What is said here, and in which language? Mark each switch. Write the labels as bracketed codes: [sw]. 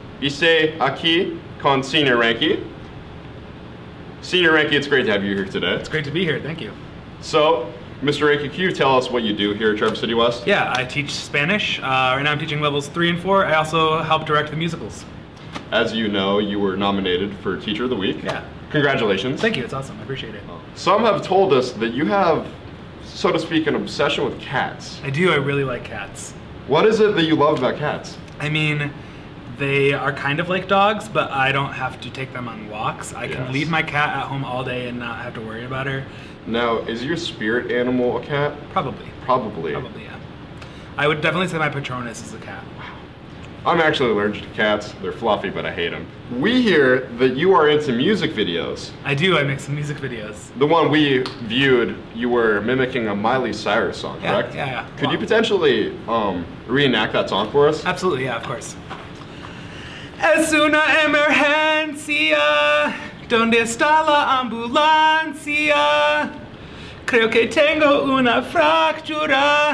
[es] Ise aquí con Senior Ranky. [en] Senior Ranky, it's great to have you here today. It's great to be here, thank you. So, Mr. Ranky, can you tell us what you do here at Traverse City West? Yeah, I teach Spanish. Right now I'm teaching levels 3 and 4. I also help direct the musicals. As you know, you were nominated for Teacher of the Week. Yeah. Congratulations. Thank you, it's awesome, I appreciate it. Some have told us that you have, so to speak, an obsession with cats. I do, I really like cats. What is it that you love about cats? I mean, they are kind of like dogs, but I don't have to take them on walks. I can leave my cat at home all day and not have to worry about her. Now, is your spirit animal a cat? Probably. Probably. Probably, yeah. I would definitely say my Patronus is a cat. I'm actually allergic to cats. They're fluffy, but I hate them. We hear that you are into music videos. I do. I make some music videos. The one we viewed, you were mimicking a Miley Cyrus song, correct? Yeah. Could you potentially reenact that song for us? Absolutely, yeah, of course. [es] Es una emergencia, donde está la ambulancia? Creo que tengo una fractura.